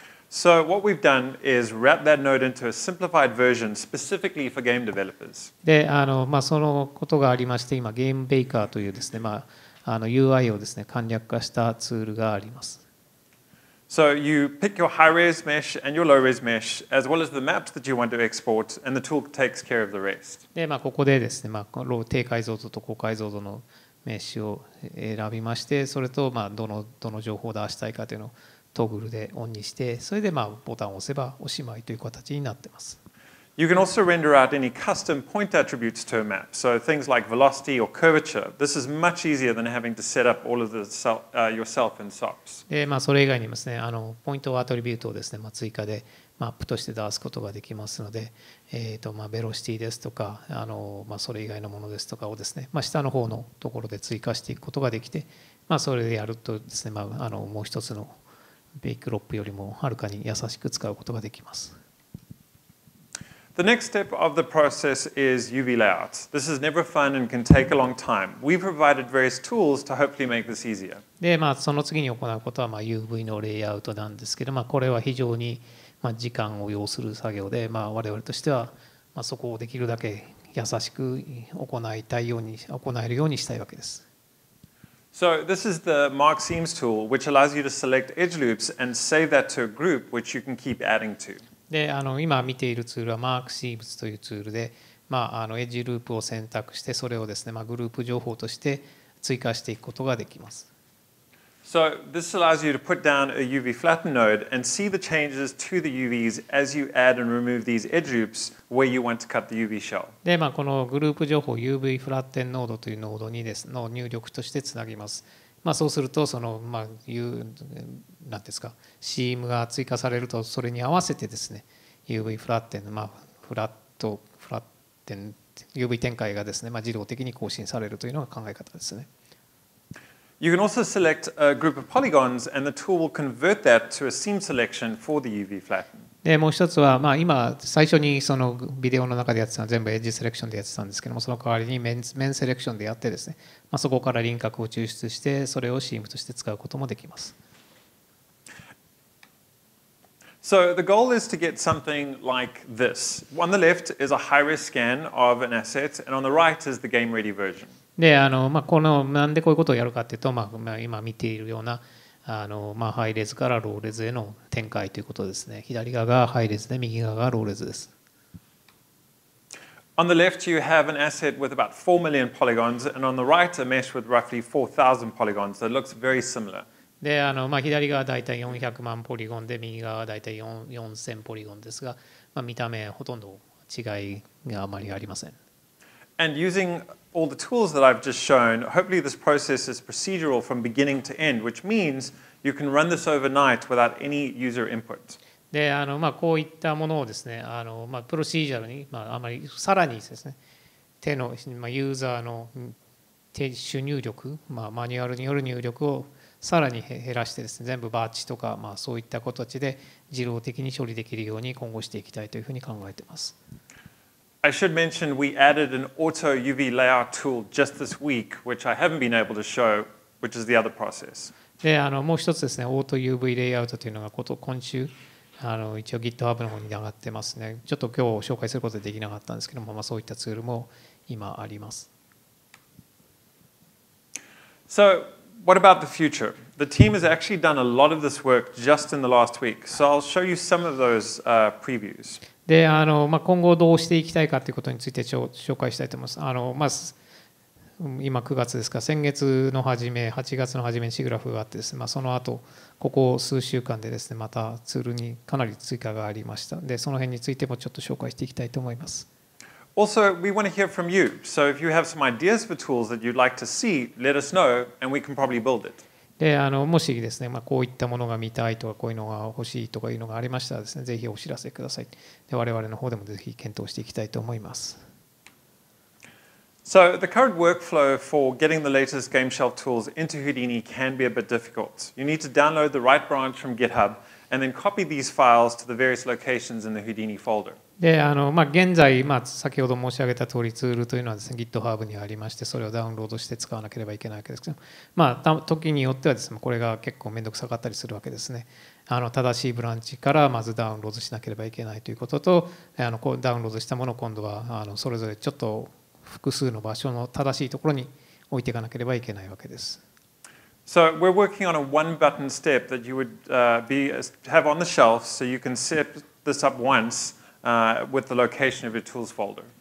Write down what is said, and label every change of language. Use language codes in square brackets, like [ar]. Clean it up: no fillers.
[en] So what we've done is wrap that node into a simplified version specifically for game developers. [ja] で、あのまあそのことがありまして、今ゲームベイカーというですね、まああの UI をですね簡略化したツールがあります。 [en] So you pick your high-res mesh and your low-res mesh, as well as the maps that you want to export, and the tool takes care of the rest. [ja] で、まあここでですね、まあ低解像度と高解像度のメッシュを選びまして、それとまあどの情報を出したいかというのをトグルでオンにして、それでまあボタンを押せばおしまいという形になってます。 [en] You can also render out any custom point attributes to a map, so things like velocity or curvature. This is much easier than having to set up all of the yourself in SOPs. [ja] で、まあそれ以外にもですね、あのポイントアトリビュートをですね、まあ追加でマップとして出すことができますので、まあベロシティですとか、あのまあそれ以外のものですとかをですね、まあ下の方のところで追加していくことができて、まあそれでやるとですね、まああのもう一つのベイクロップよりもはるかに優しく使うことができます。 [en] The next step of the process is UV layout. This is never fun and can take a long time. We provided various tools to hopefully make this easier. [ja] で、まあその次に行うことは、まあ、UV のレイアウトなんですけど、まあこれは非常に、まあ、時間を要する作業で、まあ我々としては、まあ、そこをできるだけ優しく行えるようにしたいわけです。 [en] So this is the mark seams tool, which allows you to select edge loops and save that to a group, which you can keep adding to. [ja] で、あの今見ているツールはマークシーブスというツールで、まあ、あのエッジループを選択してそれをですね、まあ、グループ情報として追加していくことができます。 [en] So this allows you to put down a UV flatten node and see the changes to the UVs as you add and remove these edge loops where you want to cut the UV shell. [ja] で、まあ、このグループ情報 UV flatten node というノードにですの入力としてつなぎます。まあ、そうするとその、まあ、なんですか、シームが追加されるとそれに合わせてですね、UV フラッテン、まあ、フラッテン、UV 展開がですね、まあ、自動的に更新されるというのが考え方ですね。 [en] You can also select a group of polygons and the tool will convert that to a seam selection for the UV flatten. [ja] もう一つは、まあ、今、最初にそのビデオの中でやってたのは全部エッジセレクションでやってたんですけども、その代わりに面セレクションでやってですね、まあ、そこから輪郭を抽出して、それをシームとして使うこともできます。 [en] So the goal is to get something like this. On the left is a high-res scan of an asset, and on the right is the game-ready version. [ja] で、あの、まあ、この、なんでこういうことをやるかっていうと、まあ、今見ているような、あの、まあ、ハイレズからローレズへの展開ということですね。左側がハイレズで、右側がローレズです。 [en] On the left, you have an asset with about 4 million polygons, and on the right, a mesh with roughly 4,000 polygons that looks very similar. [ja] で、あの、まあ、左側はだいたい400万ポリゴンで、右側はだいたい4000ポリゴンですが、まあ、見た目ほとんど違いがあまりありません。 [en] And using all the tools that I've just shown, hopefully this process is procedural from beginning to end, which means you can run this overnight without any user input. [ja] で、あの、まあ、こういったものをですね、あの、まあ、プロシージャルに、まあ、あまりさらにですね、手の、まあ、ユーザーの手主入力、まあ、マニュアルによる入力をさらに減らしてですね、全部バッチとか、まあ、そういった形で自動的に処理できるように今後していきたいというふうに考えています。 [en] I should mention we added an auto UV layout tool just this week, which I haven't been able to show, which is the other process. [ja] で、あの、もう一つですね、オート UV レイアウトというのが今週、あの、一応 GitHub の方に上がってますね。ちょっと今日紹介することはできなかったんですけども、まあ、そういったツールも今あります。 [en] So,What about the future? The team has actually done a lot of this work just in the last week, so I'll show you some of those previews. [ja] で、あの、まあ、今後どうしていきたいかということについて紹介したいと思います。あの、まあ、今9月ですか、先月の初め、8月の初めにシグラフがあってですね、まあ、その後ここ数週間でですね、またツールにかなり追加がありました。で、その辺についてもちょっと紹介していきたいと思います。 [en] Also, we want to hear from you. So if you have some ideas for tools that you'd like to see, let us know and we can probably build it. [ja] で、もしですね、こういったものが見たいとか、こういうのが欲しいとかいうのがありましたらですね、ぜひお知らせください。で、我々の方でもぜひ検討していきたいと思います。 [en] So the current workflow for getting the latest game shelf tools into Houdini can be a bit difficult. You need to download the right branch from GitHub and then copy these files to the various locations in the Houdini folder. [ja] で、現在、先ほど申し上げた通りツールというのはですね、GitHub にありまして、それをダウンロードして使わなければいけないわけですけど、時によってはですね、これが結構めんどくさかったりするわけですね。正しいブランチからまずダウンロードしなければいけないということと、ダウンロードしたものを今度はそれぞれちょっと複数の場所の正しいところに置いていかなければいけないわけです。 [en] So we're working on a one button step that you would be have on the shelf so you can set this up once with the location of your tools folder.